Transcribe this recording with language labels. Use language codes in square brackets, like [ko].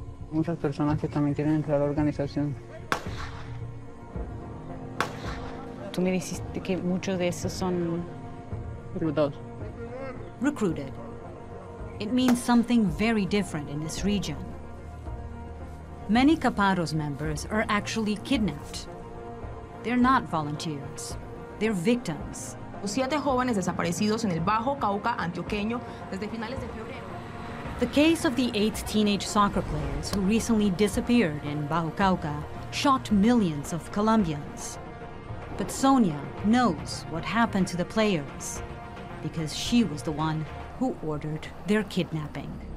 [es] Muchas personas que también quieren entrar a la organización. Tú me dijiste que muchos de esos son reclutados. [en] Recruited. It means something very different in this region. Many Caparros members are actually kidnapped. They're not volunteers. They're victims. [es] Siete jóvenes desaparecidos en el Bajo Cauca antioqueño desde finales de febrero. [en] The case of the 8 teenage soccer players who recently disappeared in Bajo Cauca shocked millions of Colombians. But Sonia knows what happened to the players because she was the one who ordered their kidnapping.